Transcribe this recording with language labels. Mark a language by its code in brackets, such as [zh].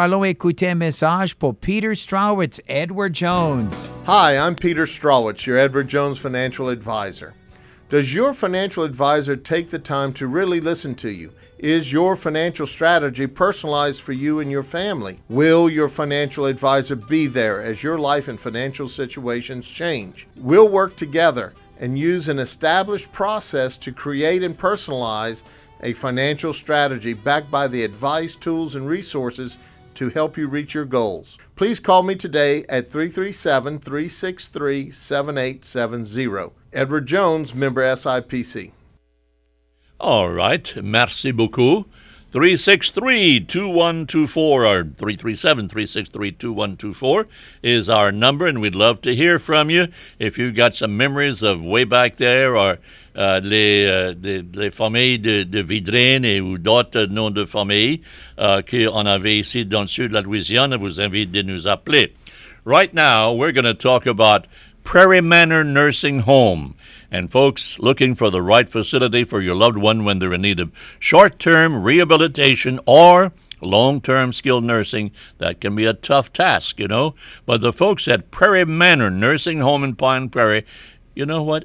[fr] Allons écouter un message pour Peter Strawitz, Edward Jones. [en] Hi, I'm Peter Strawitz, your Edward Jones financial advisor. Does your financial advisor take the time to really listen to you? Is your financial strategy personalized for you and your family? Will your financial advisor be there as your life and financial situations change? We'll work together and use an established process to create and personalize a financial strategy backed by the advice, tools, and resources to help you reach your goals. Please call me today at 337-363-7870. Edward Jones, member SIPC. All right. [fr] Merci beaucoup. [en] 363-2124 or 337-363-2124 is our number, and we'd love to hear from you. If you've got some memories of way back there or [fr] les familles de Vidrine et ou d'autres noms de famille qu'on avait ici dans le sud de la Louisiane, vous invite de nous appeler. [en] Right now, we're going to talk about Prairie Manor Nursing Home. And folks, looking for the right facility for your loved one when they're in need of short-term rehabilitation or long-term skilled nursing, that can be a tough task, you know. But the folks at Prairie Manor Nursing Home in Pine Prairie, you know what?